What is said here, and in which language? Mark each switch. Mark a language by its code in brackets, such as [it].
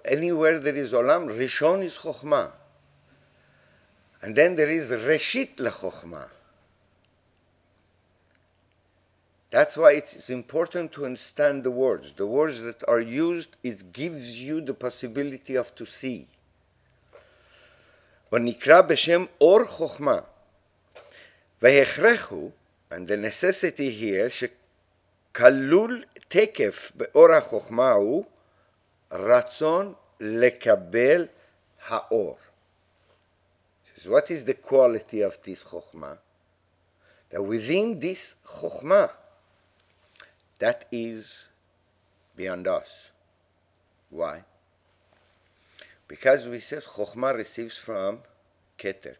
[en] Anywhere there is Olam, Rishon is Chokhmah. And then there is Reshit Le'chokhmah. That's why it's important to understand the words. The words that are used, it gives you the possibility of to see. [he] ונקרא בשם אור חוכמה. והכרחו, [en] and the necessity here, [he] שכלול תקף באור החוכמה הוא רצון לקבל האור. [en] What is the quality of this חוכמה? That within this חוכמה, that is beyond us. Why? Because we said חוכמה receives from Keter.